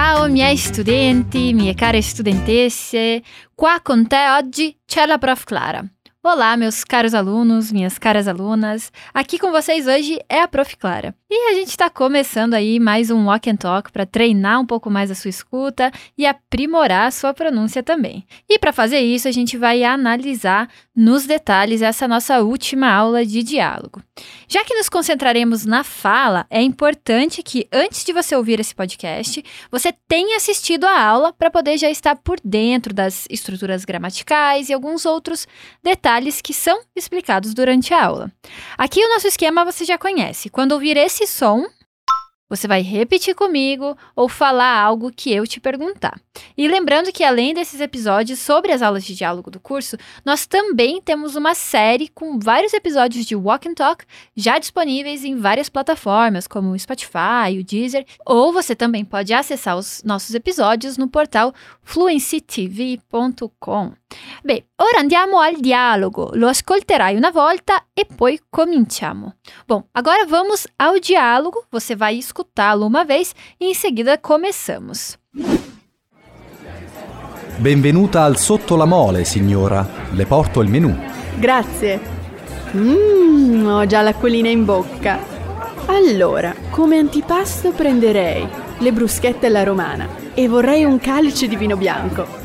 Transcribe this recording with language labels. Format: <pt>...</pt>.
<it>miei studenti, mie care studentesse. Qua con te oggi c'è la Prof. Clara.</it> <pt>Olá, meus caros alunos, minhas caras alunas. Aqui com vocês hoje é a Prof. Clara. E a gente está começando aí mais um Walk and Talk para treinar um pouco mais a sua escuta e aprimorar a sua pronúncia também. E para fazer isso, a gente vai analisar nos detalhes essa nossa última aula de diálogo. Já que nos concentraremos na fala, é importante que antes de você ouvir esse podcast, você tenha assistido a aula para poder já estar por dentro das estruturas gramaticais e alguns outros detalhes que são explicados durante a aula. Aqui o nosso esquema você já conhece. Quando ouvir esse som, você vai repetir comigo ou falar algo que eu te perguntar. E lembrando que além desses episódios sobre as aulas de diálogo do curso, nós também temos uma série com vários episódios de Walk and Talk já disponíveis em várias plataformas, como o Spotify, o Deezer, ou você também pode acessar os nossos episódios no portal fluencytv.com.</pt> <it>Bem, ora andiamo al dialogo. Lo ascolterai una volta e poi cominciamo.</it> <pt>Bom, agora vamos ao diálogo. Você vai escutá-lo uma vez e em seguida começamos.</pt> <it>Benvenuta al sotto la mole, signora. Le porto il menù. Grazie. Ho già l'acquolina in bocca. Allora, come antipasto prenderei le bruschette alla romana e vorrei un calice di vino bianco.</it>